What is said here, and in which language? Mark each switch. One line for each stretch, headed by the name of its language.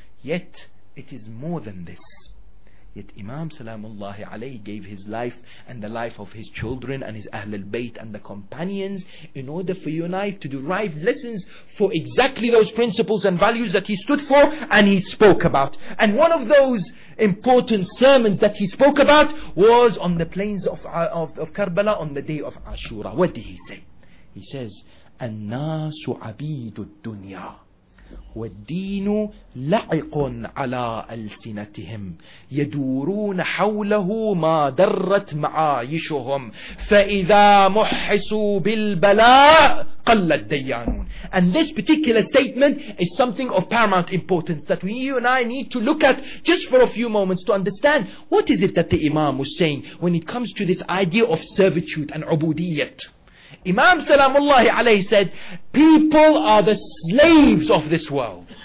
English: Yet, it is more than this. Yet Imam Salamullahi Alayhi gave his life and the life of his children and his Ahlul Bayt and the companions in order for you and I to derive lessons for exactly those principles and values that he stood for and he spoke about. And one of those important sermons that he spoke about was on the plains of Karbala on the day of Ashura. What did he say? He says,
Arabic: "An-nasu abidu dunya." والدين لعق على ألسنتهم يدورون حوله ما درت معايشهم فإذا محسوا بالبلاء قل الديانون.
English: And this particular statement is something of paramount importance that we, you and I, need to look at just for a few moments to understand what is it that the Imam was saying when it comes to this idea of servitude and ubudiyyah. Imam Salamullahi Alayhi said, people are the slaves of this world.